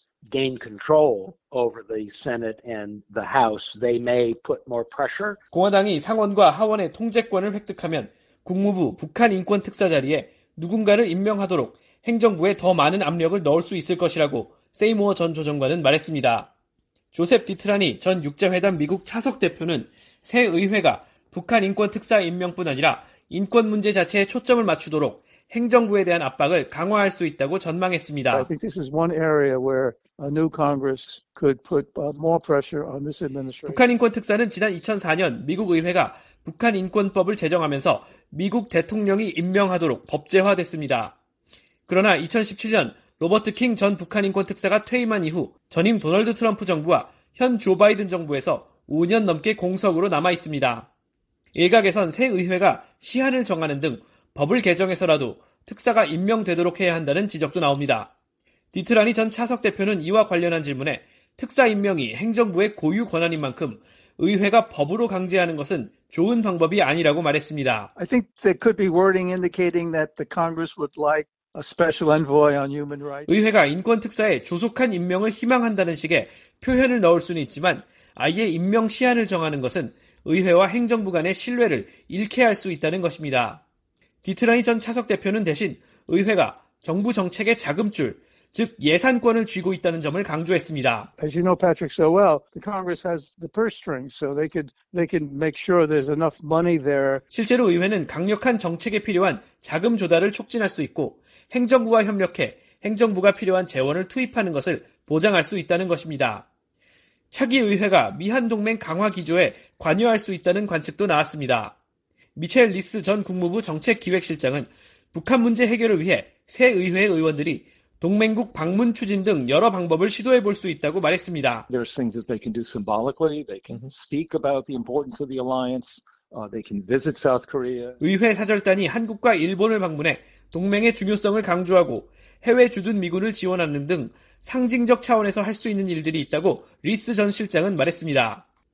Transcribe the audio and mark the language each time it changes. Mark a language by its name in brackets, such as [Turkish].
[English] gain control over the Senate and the House, they may put more pressure. [Korean] 공화당이 상원과 하원의 통제권을 획득하면 국무부 북한 인권 특사 자리에 누군가를 임명하도록 행정부에 더 많은 압력을 넣을 수 있을 것이라고 세이모어 전 조정관은 말했습니다. 조셉 디트라니 전 육자회담 미국 차석 대표는 새 의회가 북한 인권 특사 임명뿐 아니라 인권 문제 자체에 초점을 맞추도록 행정부에 대한 압박을 강화할 수 있다고 전망했습니다. [English] I think this is one area where a new Congress could put more pressure on this administration. [Korean] 북한 인권 특사는 지난 2004년 미국 의회가 북한 인권법을 제정하면서 미국 대통령이 임명하도록 법제화됐습니다. 그러나 2017년 로버트 킹 전 북한 인권 특사가 퇴임한 이후 전임 도널드 트럼프 정부와 현 조 바이든 정부에서 5년 넘게 공석으로 남아 있습니다. 일각에선 새 의회가 시한을 정하는 등 법을 개정해서라도 특사가 임명되도록 해야 한다는 지적도 나옵니다. 디트라니 전 차석 대표는 이와 관련한 질문에 특사 임명이 행정부의 고유 권한인 만큼 의회가 법으로 강제하는 것은 좋은 방법이 아니라고 말했습니다. [English] I think there could be wording indicating that the Congress would like a special envoy on human rights. [Korean] 의회가 인권 특사에 조속한 임명을 희망한다는 식의 표현을 넣을 수는 있지만 아예 임명 시한을 정하는 것은 의회와 행정부 간의 신뢰를 잃게 할 수 있다는 것입니다. 디트라니 전 차석 대표는 대신 의회가 정부 정책의 자금줄, 즉 예산권을 쥐고 있다는 점을 강조했습니다. [English] As you know Patrick so well, the Congress has the purse strings, so they can make sure there's enough money there. [Korean] 실제로 의회는 강력한 정책에 필요한 자금 조달을 촉진할 수 있고 행정부와 협력해 행정부가 필요한 재원을 투입하는 것을 보장할 수 있다는 것입니다. 차기 의회가 미한동맹 강화 기조에 관여할 수 있다는 관측도 나왔습니다. 미첼 리스 전 국무부 정책기획실장은 북한 문제 해결을 위해 새 의회 의원들이 동맹국 방문 추진 등 여러 방법을 시도해 볼 수 있다고 말했습니다. [English] There are things that they can do symbolically. They can speak about the importance of the alliance. They can visit South Korea. [Korean] 의회 사절단이 한국과 일본을 방문해 동맹의 중요성을 강조하고 해외 주둔 미군을 지원하는 등 상징적 차원에서 할 수 있는 일들이 있다고 리스 전 실장은 말했습니다.